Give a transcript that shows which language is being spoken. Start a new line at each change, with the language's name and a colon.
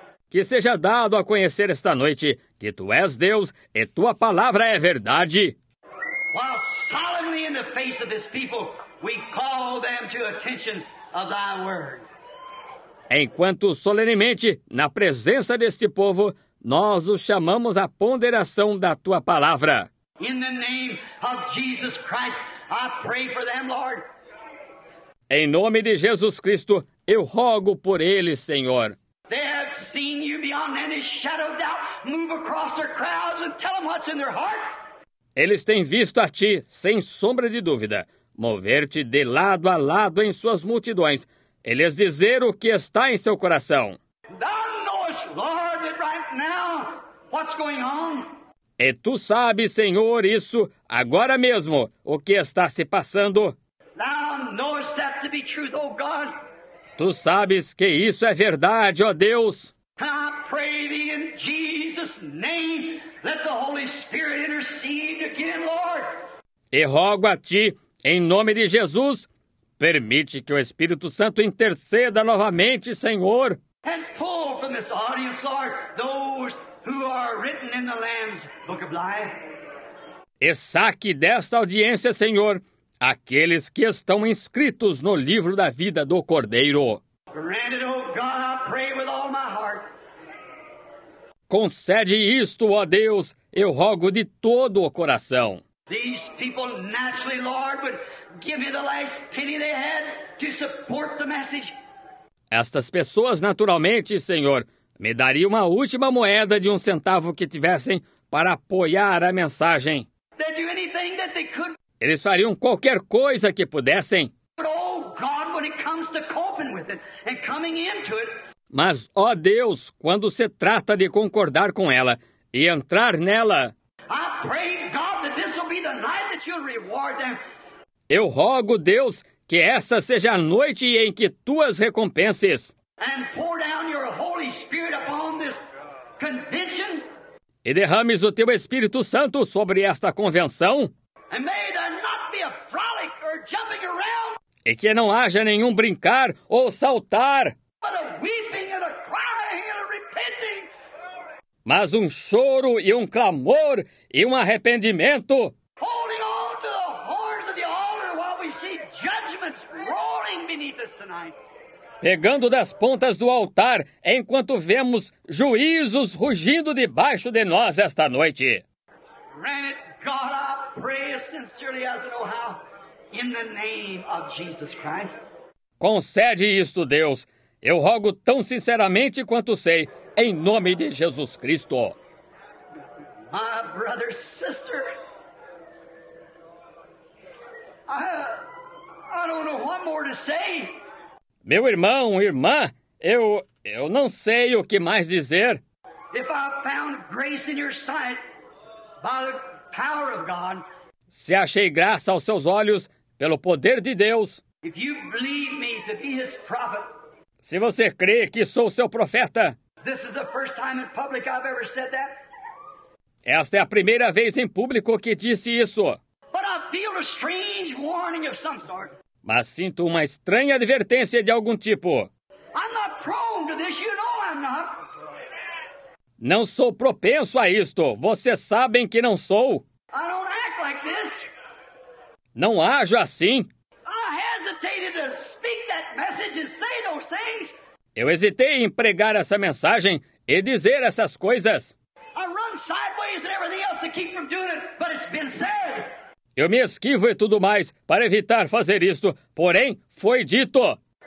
Portuguese: Que seja dado a conhecer esta noite que tu és Deus e tua palavra é verdade.
English: While solemnly in the face of this people, we call them to attention of thy word.
Portuguese: Enquanto solenemente, na presença deste povo, nós os chamamos à ponderação da tua palavra.
English: In the name of Jesus Christ, I pray for them, Lord.
Portuguese: Em nome de Jesus Cristo, eu rogo por eles, Senhor.
English: They have seen you beyond any shadow of doubt move across their crowds and tell them what's in their heart.
Portuguese: Eles têm visto a ti, sem sombra de dúvida, mover-te de lado a lado em suas multidões, e lhes dizer o que está em seu coração.
English: Thou knowest, Lord, that right now, what's going on?
Portuguese: E tu sabes, Senhor, isso, agora mesmo, o que está se passando.
English: Thou knowest that to be truth, oh God.
Portuguese: Tu sabes que isso é verdade, ó Deus.
English: I pray thee in Jesus' name, let the Holy Spirit intercede again, Lord.
Portuguese: E rogo a ti, em nome de Jesus, permite que o Espírito Santo interceda novamente, Senhor.
English: And pull from this audience, Lord, those who are written in the Lamb's Book of Life.
Portuguese: E saque desta audiência, Senhor, aqueles que estão inscritos no livro da vida do Cordeiro.
English: Granted, oh God, I pray with all my heart.
Portuguese: Concede isto, ó Deus, eu rogo de todo o coração.
English: These people naturally, Lord, would give me the last penny they had to support the message.
Portuguese: Estas pessoas, naturalmente, Senhor, me dariam uma última moeda de um centavo que tivessem para apoiar a mensagem.
English: They'd do anything that they could.
Portuguese: Eles fariam qualquer coisa que pudessem.
English: But oh, God, when it with it and coming into it.
Portuguese: Mas, ó Deus, quando se trata de concordar com ela e entrar nela,
English: I pray God that this will be the night that you'll reward them.
Portuguese: Eu rogo, Deus, que essa seja a noite em que tuas recompenses
English: and pour down your Holy Spirit upon this convention.
Portuguese: E derrames o teu Espírito Santo sobre esta convenção.
English: And may there not be a frolic or jumping around.
Portuguese: E que não haja nenhum brincar ou saltar.
English: But a weeping and a crying and a repenting.
Portuguese: Mas um choro e um clamor e um arrependimento.
English: Holding on to the horns of the altar while we see judgments roaring beneath us tonight.
Portuguese: Pegando das pontas do altar enquanto vemos juízos rugindo debaixo de nós esta noite.
English: Granted, God, I pray as sincerely as I know how, in the name of Jesus Christ.
Portuguese: Concede isto, Deus. Eu rogo tão sinceramente quanto sei, em nome de Jesus Cristo.
English: My brother, sister, I don't know what more to say.
Portuguese: Meu irmão, irmã, eu não sei o que mais dizer.
English: If I found grace in your sight by the power of God.
Portuguese: Se achei graça aos seus olhos pelo poder de Deus.
English: If you believe me to be his prophet.
Portuguese: Se você crê que sou seu profeta.
English: This is the first time in public I've ever said that.
Portuguese: Esta é a primeira vez em público que disse isso.
English: But I feel a strange warning of some sort.
Portuguese: Mas sinto uma estranha advertência de algum tipo.
English: I'm not prone to this, you know I'm not.
Portuguese: Não sou propenso a isto. Vocês sabem que não sou.
English: I don't act like this.
Portuguese: Não ajo assim.
English: I hesitated to speak that message and say those things.
Portuguese: Eu hesitei em pregar essa mensagem e dizer essas coisas.
English: I run sideways and everything else to keep from doing it, but it's been said.
Portuguese: Eu me esquivo e tudo mais para evitar fazer isto, porém, foi dito.